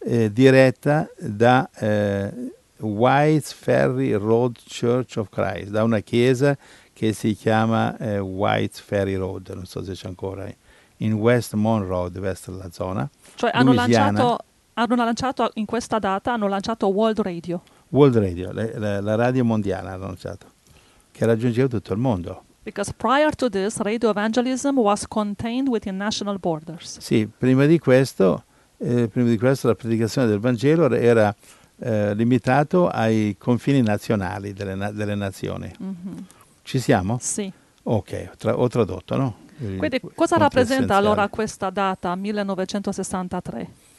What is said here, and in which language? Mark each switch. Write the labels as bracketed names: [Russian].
[Italian] diretta da White's Ferry Road Church of Christ, da una chiesa che si chiama White Ferry Road, non so se c'è ancora, in West Monroe, deve essere la zona. Cioè hanno lanciato in questa data, hanno lanciato World Radio. World Radio, la radio mondiale hanno lanciato, che raggiungeva tutto il mondo. [English] Because prior to this, radio evangelism was contained within national borders. [Italian] Sì, prima di questo la predicazione del Vangelo era limitato ai confini nazionali delle nazioni. Mm-hmm. Ci siamo? Sì. Ok, ho tradotto, no? Quindi cosa rappresenta allora questa data, 1963?